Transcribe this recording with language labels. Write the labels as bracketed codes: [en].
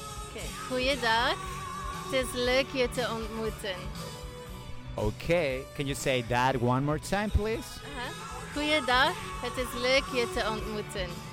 [nl] Okay, goeiedag, het is leuk je te ontmoeten. [en] Okay, can you say that one more time, please? [nl] Goeiedag, het is leuk je te ontmoeten.